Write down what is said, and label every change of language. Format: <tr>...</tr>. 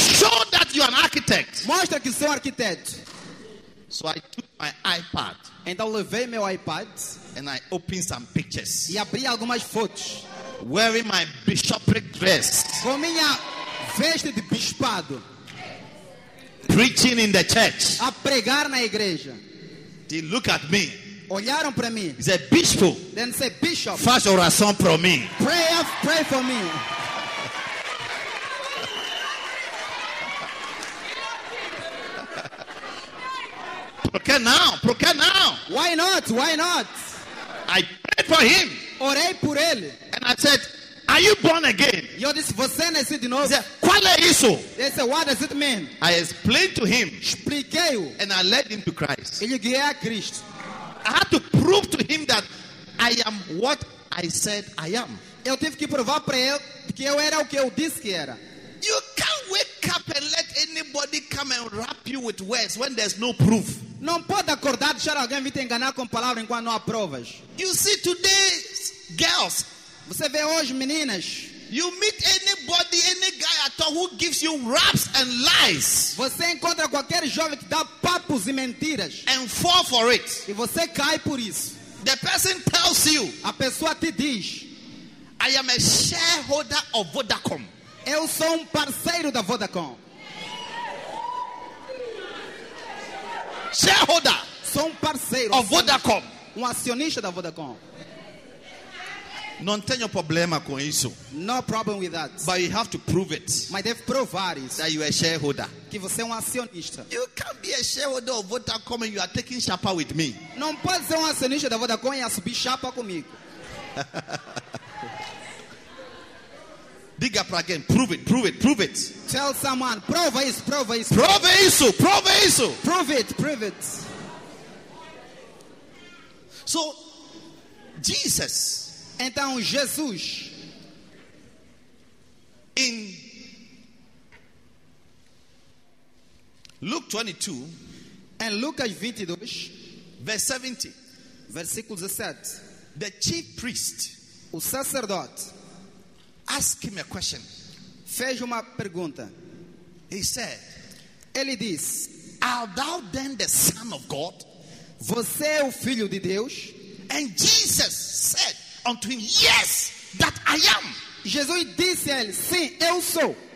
<en>Show that you are an architect.</en> <pt>Mostra que sou arquiteto.</pt> <en>So I took my iPad.</en> <pt>Então levei meu iPad.</pt> <en>And I opened some pictures.</en> <pt>E abri algumas fotos.</pt> <en>Wearing my bishopric dress.</en> <pt>Com minha veste de bispado.</pt> <en>Preaching in the church.</en> <pt>A pregar na igreja.</pt> <en>They look at me.</en> <pt>Olharam para mim.</pt> <en>He said, bispo. Then say, bishop.</en> <pt>Faz oração para mim.</pt> <en>Pray for me.</en> <pt>Por que não? Por que não?</pt> <en>Why not? Why not? I prayed for him.</en> <pt>Orei por ele.</pt> <en>And I said, are you born again?</en> <pt>Eu disse, você nasceu de novo?</pt> <en>He said,</en> <pt>qual é isso?</pt> <en>He said, what does it mean? I explained to him.</en> <pt>Expliquei-o.</pt> <en>And I led him to Christ.</en> <pt>Ele guiou a Cristo.</pt> <en>I had to prove to him that I am what I said I am.</en> <pt>Eu tive que provar para ele que eu era o que eu disse que era.</pt> <en>You can't wake up and let anybody come and wrap you with words when there's no proof.</en> <pt>Não pode acordar e deixar alguém vir te enganar com palavras enquanto não há provas.</pt> <en>You see today's girls.</en> <pt>Você vê hoje meninas.</pt> <en>You meet anybody, any guy at all who gives you raps and lies.</en> <pt>Você encontra qualquer jovem que dá papos e mentiras.</pt> <en>And fall for it.</en> <pt>E você cai por isso.</pt> <en>The person tells you.</en> <pt>A pessoa te diz.</pt> <en>I am a shareholder of Vodacom.</en> <pt>Eu sou parceiro da Vodacom.</pt> <en>Shareholder.</en> <pt>Sou parceiro.</pt> <en>Of Vodacom.</en> <pt>Acionista da Vodacom. Não tenho problema com isso.</pt> <en>No problem with that. But you have to prove it.</en> <pt>Mas deve provar isso.</pt> <en>That you are a shareholder.</en> <pt>Que você é acionista.</pt> <en>You can't be a shareholder of Vodacom and you are taking chapa with me.</en> <pt>Não pode ser acionista da Vodacom e subir chapa comigo. Diga para alguém,</pt> <en>prove it, prove it, prove it. Tell someone,</en> <pt>prova isso, prova isso. Prove isso, prove isso.</pt> <en>Prove it, prove it. So, Jesus.</en> <pt>Então Jesus,</pt> <en>in Luke 22,</en> <pt>and Lucas 22,</pt> <en>verse 70,</en> <pt>versículo 17,</pt> <en>the chief priest,</en> <pt>o sacerdote,</pt> <en>asked him a question.</en> <pt>Fez uma pergunta.</pt> <en>He said,</en> <pt>ele diz,</pt> <en>art thou then the son of God?</en> <pt>Você é o filho de Deus?</pt> <en>And Jesus said unto him, yes, that I am.</en> <pt>Jesus disse a ele, sim, eu sou.</pt>